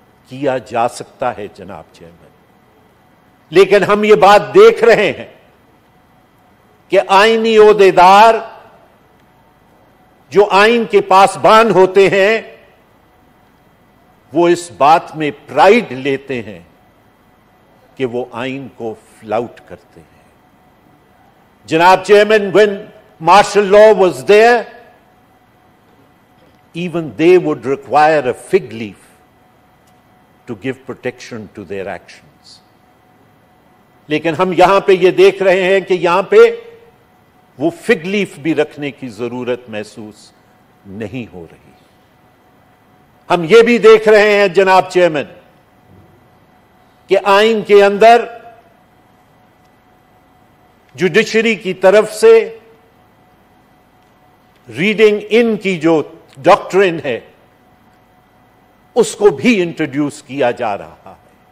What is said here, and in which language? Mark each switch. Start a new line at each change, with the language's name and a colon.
Urdu: کیا جا سکتا ہے جناب چیئرمین، لیکن ہم یہ بات دیکھ رہے ہیں کہ آئینی عہدیدار جو آئین کے پاسبان ہوتے ہیں وہ اس بات میں پرائیڈ لیتے ہیں کہ وہ آئین کو فلاؤٹ کرتے ہیں. جناب chairman,
English: when martial law was there, even they would require a fig leaf to give protection to their actions.
Urdu: لیکن ہم یہاں پہ یہ دیکھ رہے ہیں کہ یہاں پہ وہ فگ لیف بھی رکھنے کی ضرورت محسوس نہیں ہو رہی. ہم یہ بھی دیکھ رہے ہیں جناب چیئرمین کہ آئین کے اندر جوڈیشری کی طرف سے ریڈنگ ان کی جو ڈاکٹرین ہے اس کو بھی انٹروڈیوس کیا جا رہا ہے.